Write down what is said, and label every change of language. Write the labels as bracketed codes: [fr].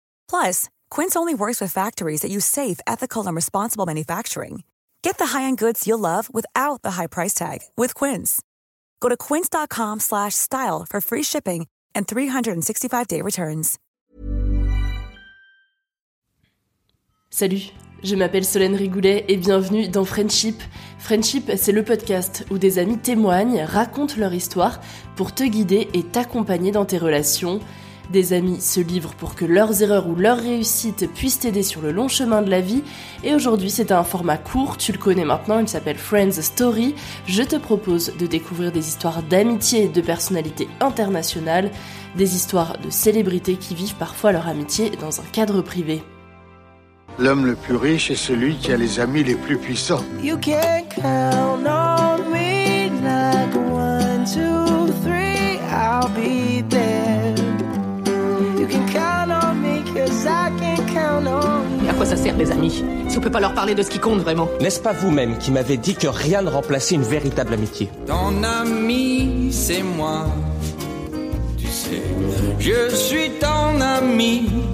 [en] Plus, Quince only works with factories that use safe, ethical, and responsible manufacturing. Get the high-end goods you'll love without the high price tag with Quince. Go to quince.com/style for free shipping and 365-day returns. [fr] Salut, je m'appelle Solène Rigoulet et bienvenue dans Friendship. Friendship, c'est le podcast où des amis témoignent, racontent leur histoire pour te guider et t'accompagner dans tes relations. Des amis se livrent pour que leurs erreurs ou leurs réussites puissent t'aider sur le long chemin de la vie. Et aujourd'hui, c'est un format court, tu le connais maintenant, il s'appelle Friends Story. Je te propose de découvrir des histoires d'amitié et de personnalités internationales, des histoires de célébrités qui vivent parfois leur amitié dans un cadre privé. L'homme le plus riche est celui qui a les amis les plus puissants. [en] You can count on me like 1, 2, 3, I'll be there. You can count on me cause I can count on you. [fr] Et à quoi ça sert les amis, si on peut pas leur parler de ce qui compte vraiment? N'est-ce pas vous-même qui m'avez dit que rien ne remplaçait une véritable amitié? Ton ami, c'est moi. Tu sais, je suis ton ami.